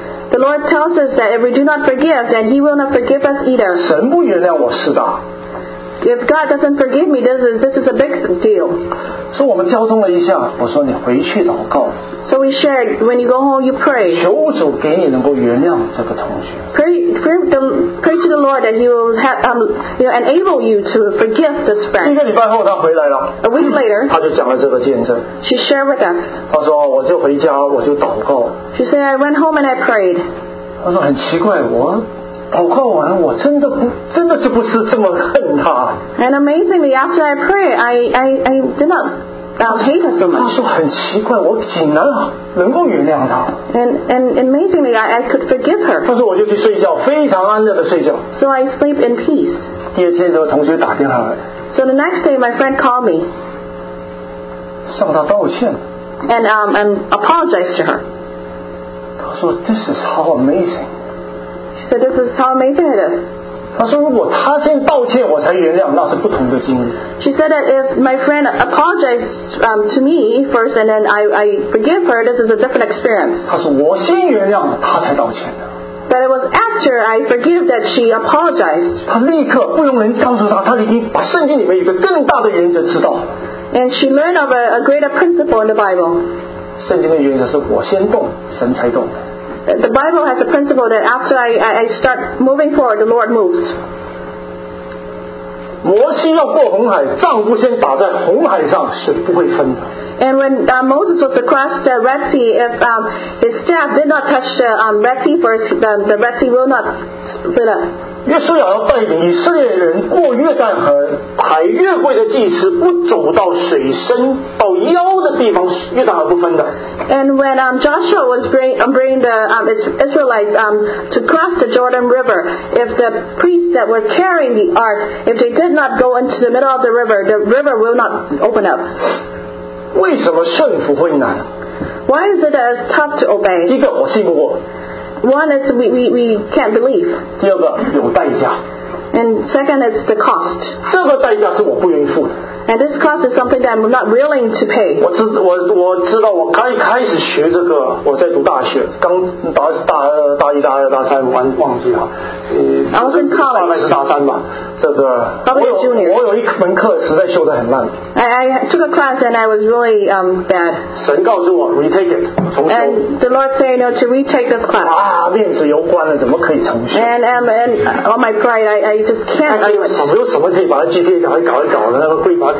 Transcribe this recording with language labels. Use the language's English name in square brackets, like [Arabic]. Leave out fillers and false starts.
[English] The Lord tells us that if we do not forgive, then He will not forgive us either. [Chinese] 神不原谅我是大。 [English] If God doesn't forgive me, this is a big deal. [Chinese] 所以我们交通了一下，我说你回去祷告。 [English] So we shared when you go home, you pray. [Chinese] 求主给你能够原谅这个同学。 [English] Pray to the Lord that He will enable you to forgive this friend. [Chinese] 一个礼拜后他回来了。 [English] A week later, [Chinese] 他就讲了这个见证。 [English] She shared with us. [Chinese] 他说我就回家我就祷告。 [English] She said I went home and I prayed. [Chinese] 他说很奇怪我。祷告完我真的就不是这么恨他 [English] And amazingly after I pray I did not hate her so much [Chinese] 他说很奇怪我竟然能够原谅他 [English] And amazingly I could forgive her [Chinese] 他说我就去睡觉非常安静的睡觉 [English] So I sleep in peace [Chinese] 第二天的同学打电话来 [English] So the next day my friend called me [Chinese] 向他道歉 [English] And apologized to her [Chinese] 他说 [English] This is how amazing So this is how amazing it is. [Chinese] 他说如果他先道歉我才原谅，那是不同的经历。 [English] She said that if my friend apologized to me first and then I forgive her, this is a different experience. [Chinese] 他说我先原谅他才道歉的。 [English] But it was after I forgive that she apologized. [Chinese] 他立刻不用人告诉他，他已经把圣经里面一个更大的原则知道。 [English] And she learned of a greater principle in the Bible. [Chinese] 圣经的原则是我先动，神才动。 [English] The Bible has a principle that after I start moving forward, the Lord moves. [Chinese] 摩西要过红海，杖不先打在红海上是不会分的。 [English] And when Moses was across the Red Sea, if his staff did not touch the Red Sea first, then the Red Sea will not split up. [Chinese] 约书亚要带领以色列人过约旦河，抬约柜的祭司不走到水深到腰的地方，约旦河不分的。 [English] And when Joshua was bringing the Israelites to cross the Jordan River, if the priests that were carrying the ark, if they did not go into the middle of the river will not open up. [Chinese] 为什么顺服会难？ [English] Why is it as tough to obey? [Chinese] 一个我信不过。 [English] One is we can't believe. [Chinese] 第二个有代价。 [English] And second is the cost. [Chinese] 这个代价是我不愿意付的。 [English] And this cost is something that I'm not willing to pay. [Chinese] 我知道我刚开始学这个，我在读大学，刚大大大一、大二、大三，忘记了。 [English] I was in college. [Chinese] 大概是大三吧。这个 我有一门课实在修得很烂。 [English] I took a class and I was really bad. [Chinese] 神告诉我 [English] retake it. And the Lord said, you know, to retake this class. [Chinese] 啊，面子攸关了，怎么可以重修 [English] And all my pride, I just can't. [Chinese] 看看有没有什么可以把它 GPA 赶快搞一搞的那个贵。